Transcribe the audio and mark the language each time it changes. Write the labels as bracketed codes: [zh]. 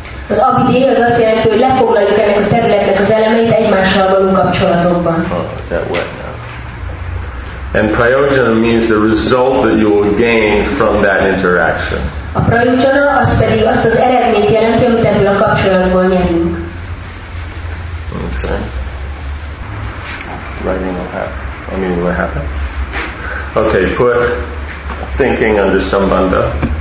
[hu] Az abhidhé az azt jelenti, hogy lefoglaljuk ennek a területnek az elemeit egymással való kapcsolatokban. [en] Oh, that way, yeah. And prayojana means the result that you will gain from that interaction. [hu] A prayojana az pedig azt az eredményt jelenti, amit ebből a kapcsolatból nyerünk. [en] Okay. Writing will happen. I mean, will happen. Okay, put thinking under Sambandha.